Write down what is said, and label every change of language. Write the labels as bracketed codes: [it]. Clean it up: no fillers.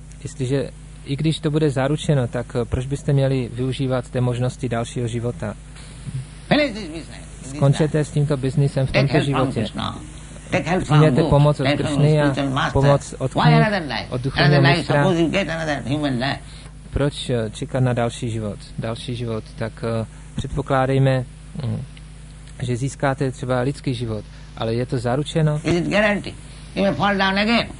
[cs] Jestliže i když to bude zaručeno, tak proč byste měli využívat té možnosti dalšího života? [en] Finish this business. [cs] Skončete s tímto biznisem v tomto životě. [en] Take help from Krishna. Take help from Guru. Take help from spiritual master. [cs] Pomoc od Krishny. [en] Why another life? [cs] Od duchovního mistra. [en] Another life. Suppose you get another human life. [cs] Proč čekat na další život? Další život. Tak předpokládejme. Že získáte třeba lidský život, ale je to zaručeno? [en] Is it guaranteed? You may fall down again.